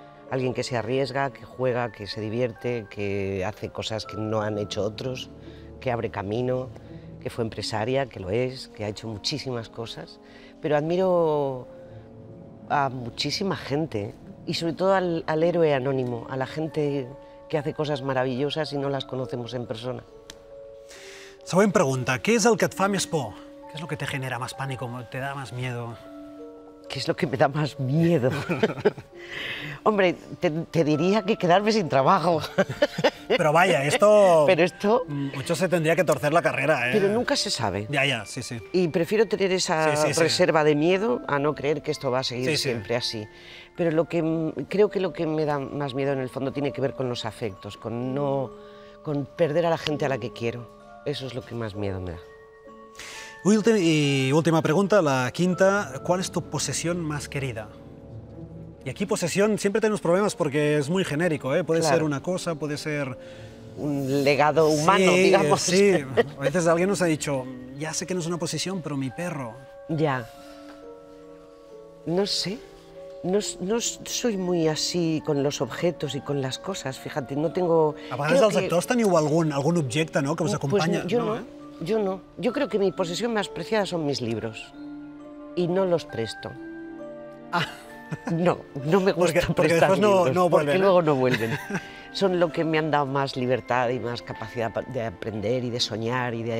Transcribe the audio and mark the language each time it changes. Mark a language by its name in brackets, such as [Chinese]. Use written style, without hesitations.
[Spanish] Alguien que se arriesga, que juega, que se divierte, que hace cosas que no han hecho otros, que abre camino, que fue empresaria, que lo es, que ha hecho muchísimas cosas. Pero admiro a muchísima gente y sobre todo al héroe anónimo, a la gente que hace cosas maravillosas y no las conocemos en persona. [Catalan] Següent pregunta, [Spanish] ¿qué es [Catalan] el que et fa més por? [Spanish] ¿Qué es lo que te genera más pánico, te da más miedo? ¿Qué es lo que me da más miedo? Hombre, te diría que quedarme sin trabajo. Pero vaya, esto... Pero esto... Mucho se tendría que torcer la carrera, ¿eh? Pero nunca se sabe. Ya, ya, sí, sí. Y prefiero tener esa reserva de miedo a no creer que esto va a seguir siempre así. Pero creo que lo que me da más miedo en el fondo tiene que ver con los afectos, con perder a la gente a la que quiero. Eso es lo que más miedo me da. Última pregunta, la quinta. ¿Cuál es tu posesión más querida? Y aquí posesión siempre tenemos problemas porque es muy genérico, ¿eh? Puede ser una cosa, puede ser... Un legado humano, digamos. Sí, a veces alguien nos ha dicho, ya sé que no es una posesión, pero mi perro... Ya. No sé. No soy muy así con los objetos y con las cosas, fíjate, no tengo... [Catalan] A vegades els actors teniu algun objecte, no?, que us acompanya. [Spanish] Pues yo no. Yo creo que mi posesión más preciada son mis libros. Y no los presto. Ah. No me gusta prestar libros. Porque luego no vuelven. Son lo que me han dado más libertad y más capacidad de aprender y de soñar.